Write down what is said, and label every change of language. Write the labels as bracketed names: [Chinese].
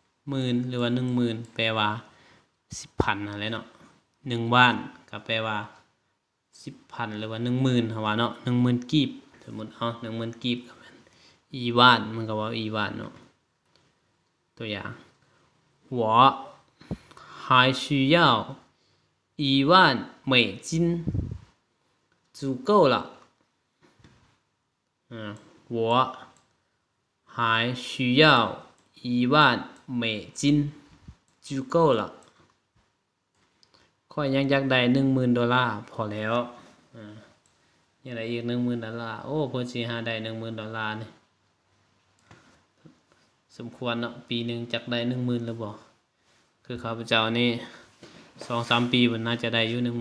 [Thai] หมื่นหรือว่าหนึ่งหมื่นแปลว่าสิบพันอะไรเนาะหนึ่งว่านก็แปลว่าสิบพันหรือว่าหนึ่งหมื่นเขาว่าเนาะหนึ่งหมื่นกีบสมมติเอาหนึ่งหมื่นกีบก็เป็นอีว่านมันก็ว่าอีว่านเนาะตัวอย่าง [Chinese] 我还需要一万美金，足够了。我还需要一万美金，足够了。 [Thai] ข้อยยังอยากได้$10,000พอแล้วอยากได้อีก$10,000โอ้พอสิหาได้$10,000นี่สมควรเนาะปีหนึ่งจักได้10,000หรือบ่คือข้าพเจ้านี่สองสามปีมันน่าจะได้อยู่